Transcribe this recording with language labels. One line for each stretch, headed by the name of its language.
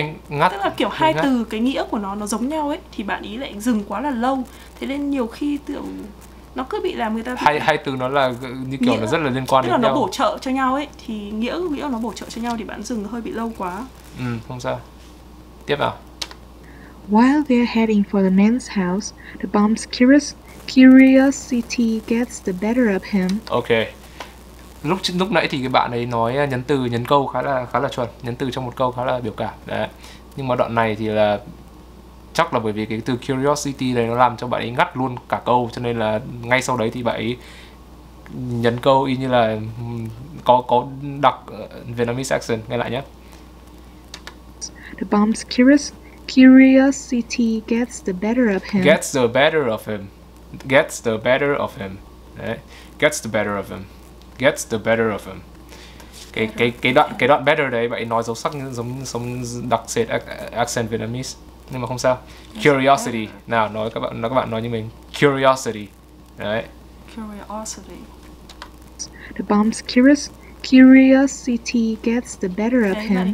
Vietnamese: anh ngắt. Tức là kiểu hai từ cái nghĩa của nó giống nhau ấy, thì bạn ý lại dừng quá là lâu. Thế nên nhiều khi tưởng nó cứ bị làm người ta hai hai từ nó là như kiểu nghĩa, nó rất là liên quan tức đến là nó nhau. Bổ trợ cho nhau ấy, thì nghĩa nó bổ trợ cho nhau thì bạn dừng hơi bị lâu quá. Ừ, không sao. Tiếp vào.
English: While they're heading for the man's house, the bomb's curiosity gets the better of him. Okay.
Vietnamese: Lúc nãy thì cái bạn ấy nói nhấn từ nhấn câu khá là chuẩn, nhấn từ trong một câu khá là biểu cảm đấy. Nhưng mà đoạn này thì là chắc là bởi vì cái từ curiosity này nó làm cho bạn ấy ngắt luôn cả câu, cho nên là ngay sau đấy thì bạn ấy nhấn câu y như là có đọc
English: Vietnamese accent.
Vietnamese: Nghe lại nhé.
English: The bomb's curiosity gets the better of him. Gets the better of him. Gets the better of him. Đấy. Gets the better of him. Gets the better of him.
Vietnamese: Cái đoạn better đấy bạn ấy nói dấu sắc giống đặc sệt
English: accent Vietnamese.
Vietnamese: Nhưng mà không sao. Curiosity. Nào nói các bạn nói như mình.
English: Curiosity. Đấy. Curiosity. The bomb's curiosity gets the better of him.